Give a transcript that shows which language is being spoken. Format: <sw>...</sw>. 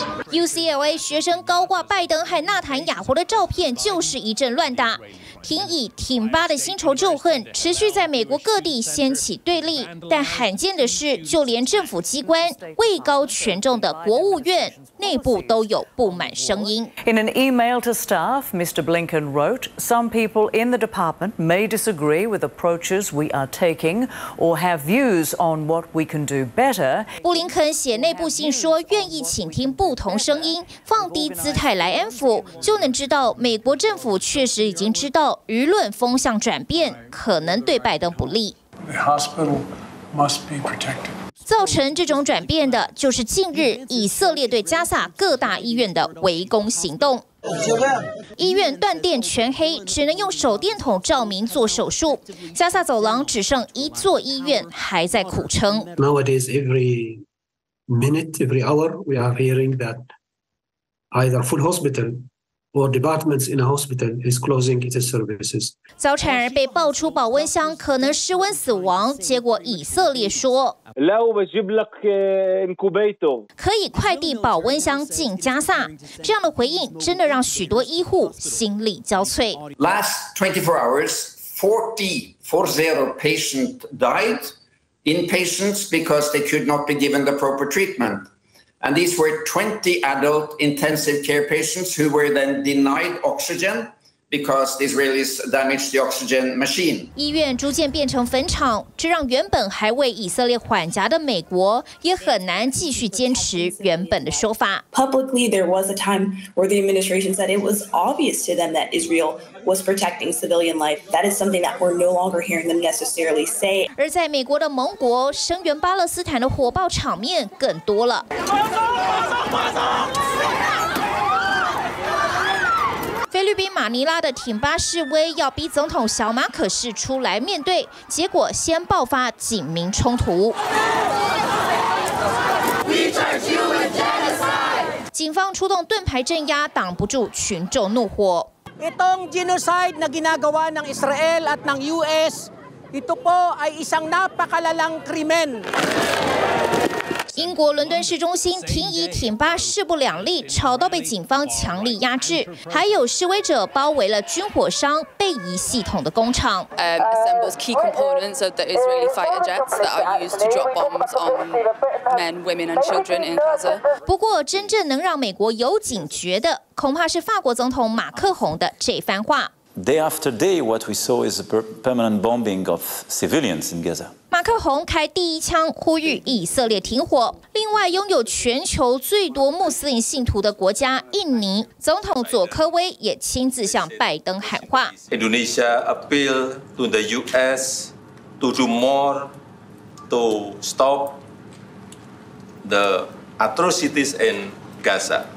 <zh>UCLA 学生高挂拜登和纳坦雅胡的照片，就是一阵乱打。挺以挺巴的新仇旧恨持续在美国各地掀起对立，但罕见的是，就连政府机关位高权重的国务院内部都有不满声音。</zh> <en>In an email to staff, Mr. Blinken wrote, "Some people in the department may disagree with approaches we are taking or have views on what we can do better."</en> <zh>布林肯写内部信说，愿意倾听不同声音，放低姿态来安抚，就能知道美国政府确实已经知道。舆论风向转变，可能对拜登不利。</zh> <en>The hospital must be protected.</en> <zh>造成这种转变的，就是近日以色列对加萨各大医院的围攻行动。医院断电全黑，只能用手电筒照明做手术。加萨走廊只剩一座医院还在苦撑。</zh> <en>Nowadays, every minute, every hour, we are hearing that either full hospital. Or departments in a hospital is closing its services.</en> <zh>早产儿被爆出保温箱可能失温死亡，结果以色列说，可以快递保温箱进加萨。这样的回应真的让许多医护心力交瘁。</zh> <en>Last 24 hours, 40 patients died, inpatients because they could not be given the proper treatment. And these were 20 adult intensive care patients who were then denied oxygen because the Israelis damaged the oxygen machine.</en> <zh>医院逐渐变成坟场，这让原本还为以色列缓颊的美国也很难继续坚持原本的说法。</zh> <en>Publicly, there was a time where the administration said it was obvious to them that Israel was protecting civilian life. That is something that we're no longer hearing them necessarily say.</en> <zh>而在美国的盟国声援巴勒斯坦的火爆场面更多了。菲律宾马尼拉的挺巴示威要逼总统小马可斯出来面对，结果先爆发警民冲突。警方出动盾牌镇压，挡不住群众怒火。</zh> <tl>Itong genocide na ginagawa ng Israel at ng US, ito po ay isang napakalalang krimen.</tl> <zh>英国伦敦市中心挺以挺巴势不两立，吵到被警方强力压制。还有示威者包围了军火商贝仪系统的工厂。</zh> <en>Assembles key components of the Israeli fighter jets that are used to drop bombs on men, women, and children in Gaza.</en> <zh>不过，真正能让美国有警觉的，恐怕是法国总统马克宏的这番话。</zh> <en>Day after day, what we saw is a permanent bombing of civilians in Gaza.</en> <zh>马克宏开第一枪，呼吁以色列停火。另外，拥有全球最多穆斯林信徒的国家印尼总统佐科威也亲自向拜登喊话</zh> <en>：“Indonesia appeal to the U.S. to do more to stop the atrocities in Gaza。”</en>